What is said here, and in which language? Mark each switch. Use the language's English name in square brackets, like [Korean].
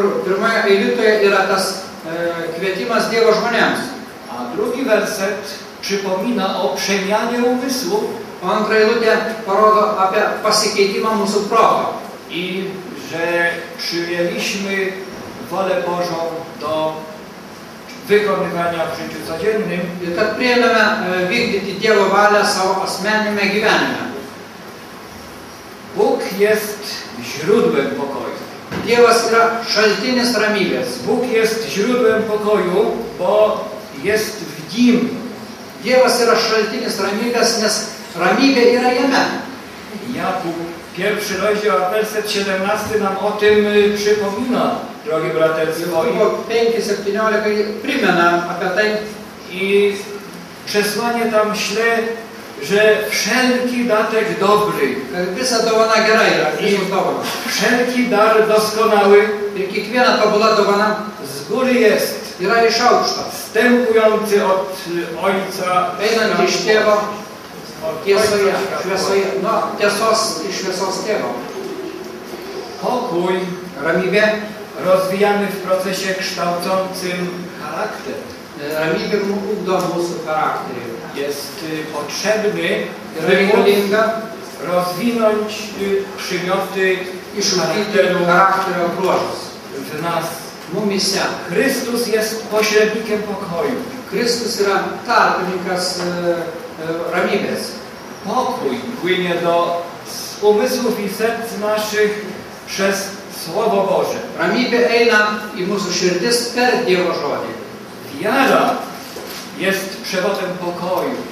[Lithuanian] Pirmoje eilutėje yra tas kvietimas Dievo žmonėms. [Polish] A drugi werset przypomina o przemianie umysłu. [Lithuanian] O antra eilutė parodo apie pasikeitimą mūsų proto. [Polish] I że przyjęliśmy wolę Bożą do wykonywania w życiu codziennym. I tak przyjmiemy wykonywać [Lithuanian] Dievo valią savo asmeniniame gyvenime. [Polish] Bóg jest źródłem pokoju. [Lithuanian] Dievas yra šaltinis ramybės. [Polish] Bóg jest źródłem pokoju, bo jest w nim. [Lithuanian] Dievas yra šaltinis ramybės, nes ramybė yra jame. [Polish] Jakub, pierwszy rozdział, werset 17 nam o tym przypomina. Drogi braterzy, [Lithuanian] bo 5:17 przypomina apie tai. [Polish] I przesłanie tam śle, że wszelki datek dobry, [Lithuanian] visa dovana gera yra, [Polish] wszelki dar doskonały, [Lithuanian] i kiekviena tobula dovana [Polish] z góry jest, [Lithuanian] yra iš aukšto, [Polish] wstępujący od Ojca, [Lithuanian] einant iš Tėvo, tiesoje, šviesoje, no, tiesos iš šviesos Tėvo. [Polish] Pokój, [Lithuanian] ramybė, [Polish] rozwijany w procesie kształcącym charakter. [Lithuanian] Ramybę ugdo mūsų charakterį. [Polish] Jest potrzebny, [Lithuanian] reikalinga, [Polish] rozwinąć przymioty [Lithuanian] i charakteru charakteru bruožus. [Polish] W nas. [Lithuanian] Mumise. [Polish] Chrystus jest pośrednikiem pokoju. [Lithuanian] Chrystus yra tarpininkas ramybės. [Polish] Pokój płynie do umysłów i serc naszych przez Słowo Boże. [Lithuanian] Ramybė eina i mūsų širdis per Dievo žodį. [Polish] Wiara jest przewodem pokoju.